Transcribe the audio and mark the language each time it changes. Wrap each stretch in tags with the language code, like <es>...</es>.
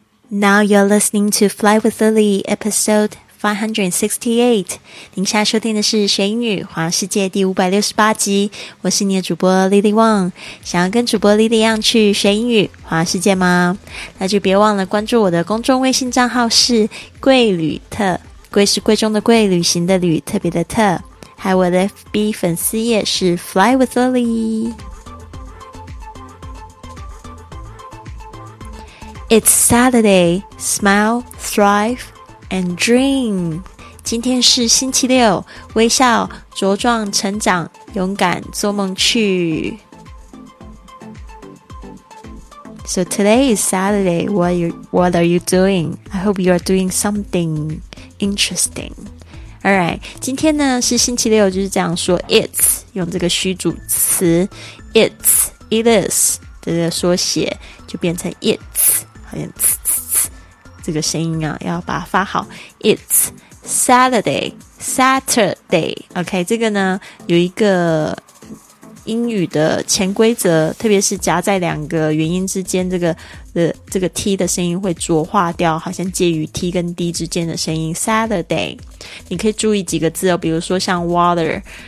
<en>Now you're listening to Fly with Lily, episode 568.</en> <zh>您现在收听的是学英语环游世界第568集。我是你的主播 Lily Wang。想要跟主播 Lily 一样去学英语环游世界吗？那就别忘了关注我的公众微信账号是贵旅特。贵是贵重的贵，旅行的旅，特别的特。还有我的 FB 粉丝页是 Fly with Lily。</zh> <en>It's Saturday. Smile, thrive, and dream.</en> <zh>今天是星期六，微笑，茁壮成长，勇敢做梦去。</zh> <en>So today is Saturday. What are you doing? I hope you are doing something interesting. All right.</en> <zh>今天呢是星期六，就是这样说。It's 用这个虚主词 ，it's it is 的这个缩写就变成 it's。好像嘶嘶嘶这个声音啊要把它发好</zh> <en>It's Saturday Saturday OK</en> <zh>这个呢有一个英语的潜规则特别是夹在两个元音之间这个 T 的声音会浊化掉好像介于 T 跟 D 之间的声音 Saturday 你可以注意几个字哦比如说像 water</zh>